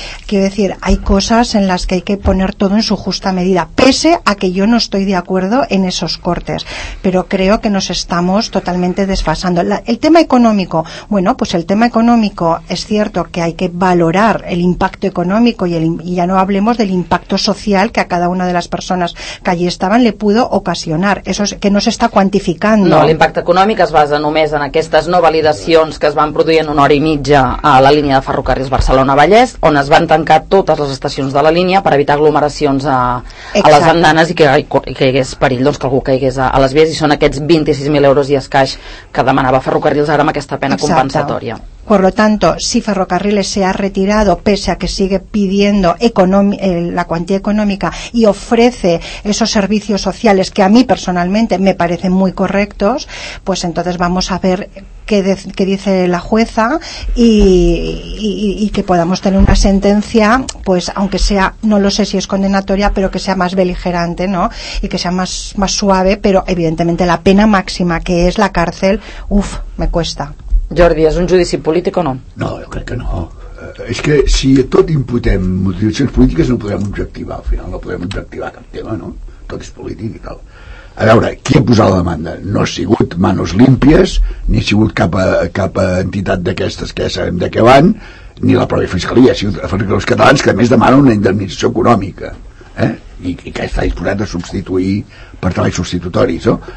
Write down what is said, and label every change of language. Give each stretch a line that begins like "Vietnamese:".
Spanish: Quiero decir, hay cosas en las que hay que poner todo en su justa medida, pese a que yo no estoy de acuerdo en esos cortes, pero creo que nos estamos totalmente desfasando. El tema económico, bueno, pues el tema económico, es cierto que hay que valorar el impacto económico y ya no hablemos del impacto social que a cada una de las personas que allí estaban le pudo ocasionar. Eso es que no se está cuantificando.
Catalan: No, l'impacte econòmic es basa només en aquestes no validacions que es van produir en 1 hora i mitja a la línia de ferrocarrils Barcelona-Vallès, on es van tancar totes les estacions de la línia per evitar aglomeracions a les andanes i que hi hagués perill, doncs, que algú caigués a les vies, i són aquests 26.000 euros i escaix que demanava Ferrocarrils ara amb aquesta pena compensatòria.
Spanish: Por lo tanto, si Ferrocarriles se ha retirado, pese a que sigue pidiendo la cuantía económica y ofrece esos servicios sociales que a mí personalmente me parecen muy correctos, pues entonces vamos a ver qué dice la jueza y que podamos tener una sentencia, pues aunque sea, no lo sé si es condenatoria, pero que sea más beligerante, ¿no? Y que sea más suave, pero evidentemente la pena máxima, que es la cárcel, uf, me cuesta.
Catalan: Jordi, és un judici polític o no? No, jo crec que no. És que si tot imputem motivacions polítiques no podem objectivar, al final no podem objectivar cap tema, no? Tot és polític i tal. A veure, qui ha posat la demanda? No ha sigut Manos Limpias, ni ha sigut cap entitat d'aquestes que ja sabem de què van, ni la pròpia fiscalia, ha sigut els catalans que a més demanen una indemnització econòmica, i que està disposat a substituir per treballs substitutoris, no?